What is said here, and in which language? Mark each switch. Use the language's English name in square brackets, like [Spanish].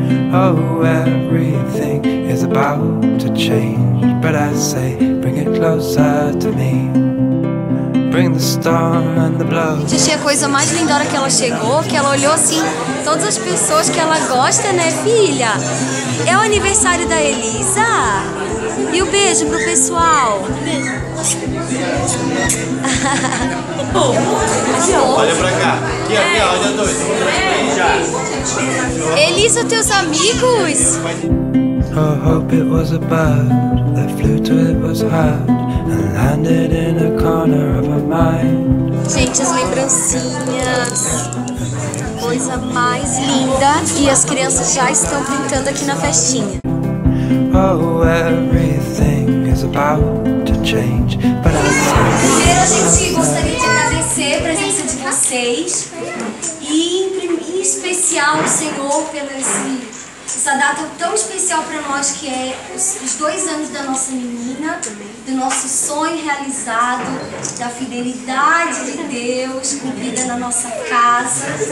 [English] Oh, everything is about to change. But I say, bring it closer to me. Bring the storm and the blow. [Portuguese] Gente, achei a coisa mais linda hora que ela chegou, que ela olhou assim, todas as pessoas que ela gosta, né, filha? É o aniversário da Elisa. E o beijo pro pessoal. Beijo. Olha pra cá. Aqui, aqui, olha dois. Elisa, teus amigos? [English] I hope it was a bird that flew to it was hard and landed in a corner of her mind. [Portuguese] Gente, as lembrancinhas. Coisa mais linda. E as crianças já estão pintando aqui na festinha. [English] Oh, everything is about to change. But I'm [Portuguese] primeiro, a gente gostaria de agradecer a presença de vocês. E especial, Senhor, pela essa data tão especial para nós, que é os 2 anos da nossa menina, do nosso sonho realizado, da fidelidade de Deus cumprida na nossa casa.